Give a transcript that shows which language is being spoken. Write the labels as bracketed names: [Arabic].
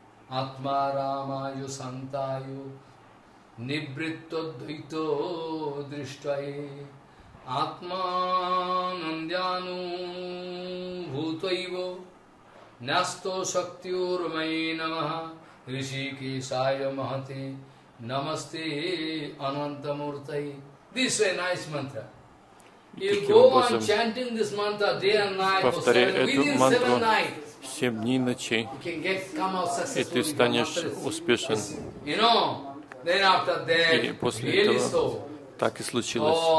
[Sanskrit] Атма Рамаю Сантаю Нибритто Дхито Дриштвае Атма Нандьяну Бхутайво Насто Шактиур Майи Намаха Ришики Сайо Махате Намасте Ананта Муртайе. [English] This is a nice mantra. You go on chanting this mantra day and night for 7 nights. [Russian] 7 дней ночи, и ты станешь успешен. И после этого так и случилось.